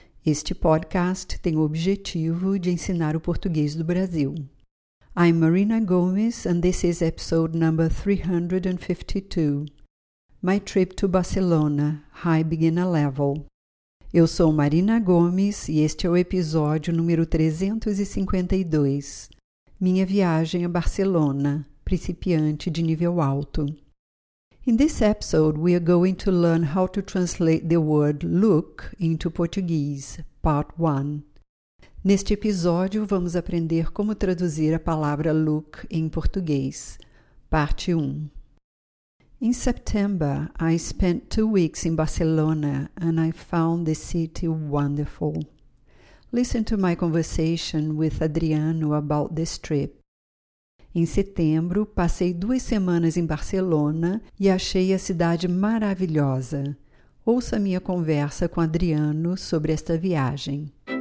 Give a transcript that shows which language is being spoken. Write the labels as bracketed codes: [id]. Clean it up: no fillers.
[pt] Este podcast tem o objetivo de ensinar o português do Brasil. [en] I'm Marina Gomes and this is episode number 352. My trip to Barcelona, High Beginner Level. [pt] Eu sou Marina Gomes e este é o episódio número 352. Minha viagem a Barcelona, principiante de nível alto. [en] In this episode, we are going to learn how to translate the word look into Portuguese, part 1. [pt] Neste episódio, vamos aprender como traduzir a palavra look em português, parte 1. [en] In September, I spent 2 weeks in Barcelona and I found the city wonderful. Listen to my conversation with Adriano about this trip. [pt] Em setembro, passei 2 semanas em Barcelona e achei a cidade maravilhosa. Ouça minha conversa com Adriano sobre esta viagem.